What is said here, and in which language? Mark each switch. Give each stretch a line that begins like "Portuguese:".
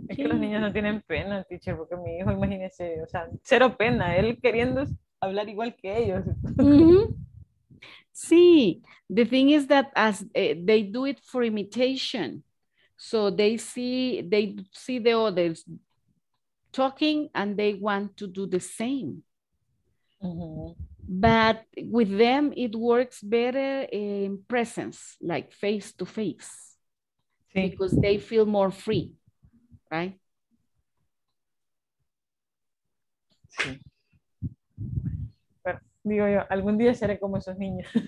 Spanish: Es que los niños no tienen pena, teacher, porque mi hijo, imagínese, o sea, cero pena, él queriendo hablar igual que ellos. Mm-hmm.
English: Sí, the thing is that as they do it for imitation, so they see the others talking and they want to do the same. Mm-hmm. But with them, it works better in presence, like face to face, because they feel more free, right?
Spanish: Sí. Pero, digo yo, algún día seré como esos niños.